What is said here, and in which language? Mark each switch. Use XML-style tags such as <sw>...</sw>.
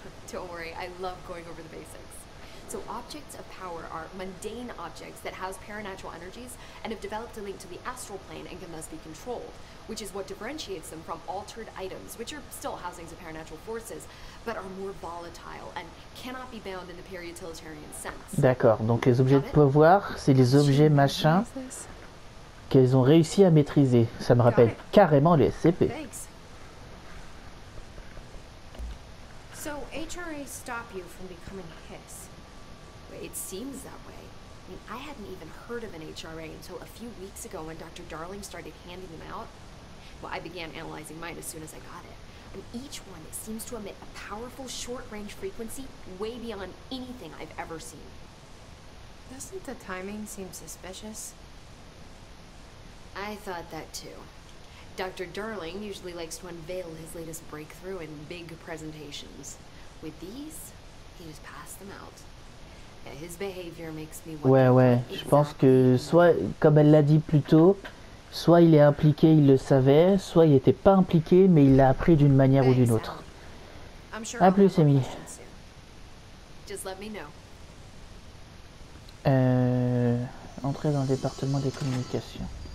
<en>Don't worry, I love going over the basics. So objects of power are mundane objects that house paranatural energies and have developed a link to the astral plane and can thus be controlled, which is what differentiates them from altered items, which are still housings of paranatural forces, but are more volatile and cannot be bound in the peri-utilitarian sense.</en> <fr>D'accord, donc les objets de pouvoir, c'est les objets machins qu'elles ont réussi à maîtriser. Ça me rappelle carrément les SCP.</fr> <en>Thanks. So HRA stop you from becoming HISS. It seems that way. I mean, I hadn't even heard of an HRA until a few weeks ago when Dr. Darling started handing them out. Well, I began analyzing mine as soon as I got it. And each one seems to emit a powerful short-range frequency way beyond anything I've ever seen. Doesn't the timing seem suspicious? I thought that too. Dr. Darling usually likes to unveil his latest breakthrough in big presentations. With these, he just passed them out. His behavior makes me wonder.</en> <fr>Ouais, je pense que soit, comme elle l'a dit plus tôt, soit il est impliqué, il le savait, soit il n'était pas impliqué, mais il l'a appris d'une manière ou d'une autre. A plus, Emily.</fr> <en>Just let me know.</en> <fr>Entrer dans le département des communications.</fr>